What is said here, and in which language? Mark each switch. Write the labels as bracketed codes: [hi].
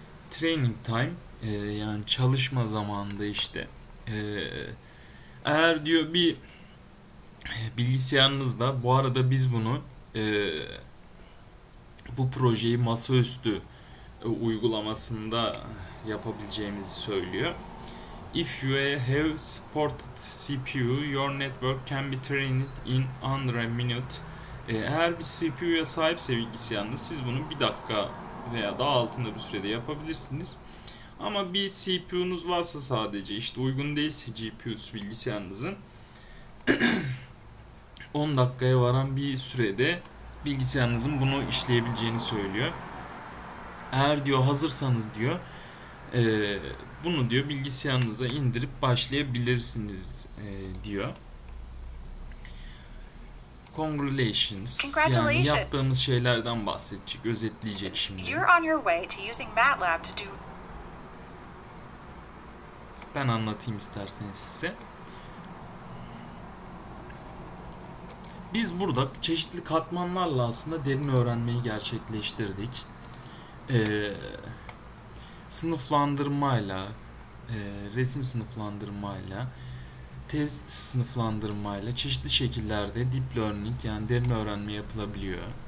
[tr] Training time yani çalışma zamanında işte eğer diyor bir bilgisayarınızda, bu arada biz bunu bu projeyi masaüstü uygulamasında yapabileceğimizi söylüyor. [en] If you have supported CPU, your network can be trained in under a minute. [tr] Eğer bir CPU'ya sahipse bilgisayarınız, siz bunu bir dakika veya daha altında bir sürede yapabilirsiniz. Ama bir CPU'nuz varsa sadece, işte uygun değilse GPU'su bilgisayarınızın 10 dakikaya varan bir sürede bilgisayarınızın bunu işleyebileceğini söylüyor. Eğer diyor hazırsanız diyor bunu diyor bilgisayarınıza indirip başlayabilirsiniz diyor. [en] Congratulations yani Congratulations. [tr] yaptığımız şeylerden bahsedecek, özetleyecek şimdi. [en] You're on your way to using MATLAB to do. [tr] Ben anlatayım isterseniz size. Biz burada çeşitli katmanlarla aslında derin öğrenmeyi gerçekleştirdik. Sınıflandırmayla, resim sınıflandırmayla, test sınıflandırmayla çeşitli şekillerde deep learning yani derin öğrenme yapılabiliyor.